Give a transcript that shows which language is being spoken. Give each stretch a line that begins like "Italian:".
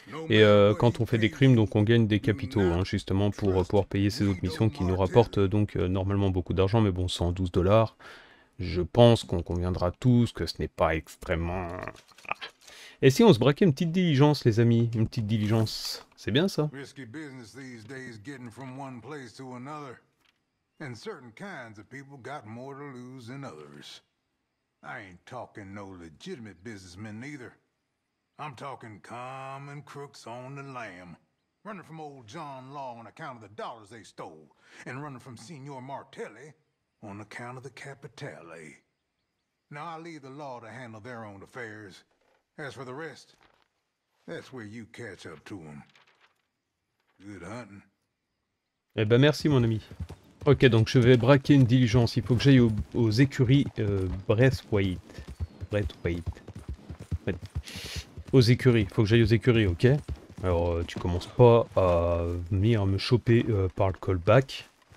French: Et quand on fait des crimes, donc on gagne des capitaux, hein, justement, pour pouvoir payer ces autres missions qui nous rapportent donc normalement beaucoup d'argent, mais bon, 112 dollars. Je pense qu'on conviendra tous que ce n'est pas extrêmement. Ah. Et si on se braquait une petite diligence, les amis, une petite diligence, c'est bien ça?
English: Risky business these days, getting from one place to another. And certain kinds of people got more to lose than others. I ain't talking no legitimate businessmen neither. I'm talking common crooks on the lam, running from old John Law on account of the dollars they stole, and running from Signor Martelli on account of the capitale. Now I leave the law to handle their own affairs. As for the rest, that's where you catch up to them. Good hunting.
French: Eh ben merci mon ami. Ok, donc je vais braquer une diligence. Il faut que j'aille aux écuries Braithwaite. Braithwaite. Ouais. Aux écuries, il faut que j'aille aux écuries, ok? Alors, tu commences pas à venir me choper par le callback.